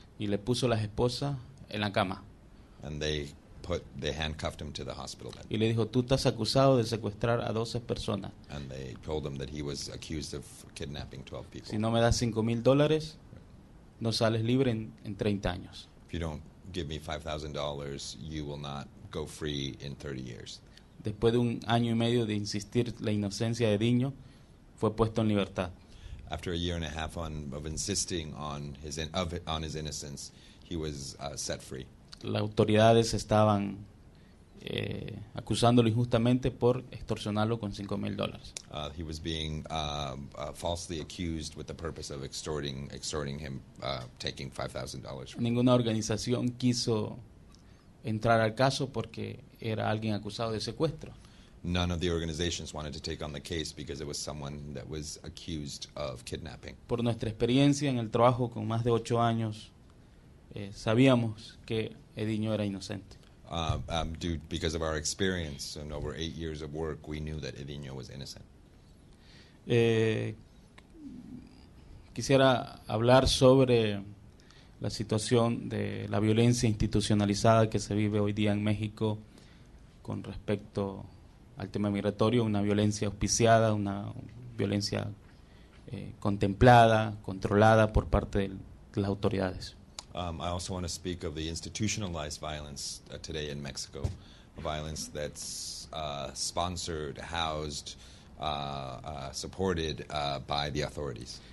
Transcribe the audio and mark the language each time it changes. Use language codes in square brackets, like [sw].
[es] Y le puso las esposas en la cama. [en] And they handcuffed him to the hospital bed. [es] Y le dijo, tú estás acusado de secuestrar a 12 personas. [en] And they told him that he was accused of kidnapping 12 people. [es] Si no me das $5,000, no sales libre en 30 años. [en] If you don't give me $5,000, you will not go free in 30 years. [es] Después de un año y medio de insistir la inocencia de Edinho, fue puesto en libertad. [en] After a year and a half of insisting on his innocence, he was set free. [es] Las autoridades estaban acusándolo injustamente por extorsionarlo con $5,000. [en] He was being falsely accused with the purpose of extorting him, taking $5,000. [es] Ninguna organización quiso entrar al caso porque era alguien acusado de secuestro. [en] None of the organizations wanted to take on the case because it was someone that was accused of kidnapping. [es] Por nuestra experiencia en el trabajo con más de 8 años, sabíamos que Edinho era inocente. [en] Because of our experience and over 8 years of work, we knew that Edinho was innocent. [es] Quisiera hablar sobre la situación de la violencia institucionalizada que se vive hoy día en México con respecto al tema migratorio, una violencia auspiciada, una violencia contemplada, controlada por parte del las autoridades. [en] I also want to speak of the institutionalized violence today in Mexico, violence that's sponsored, housed, supported by the authorities.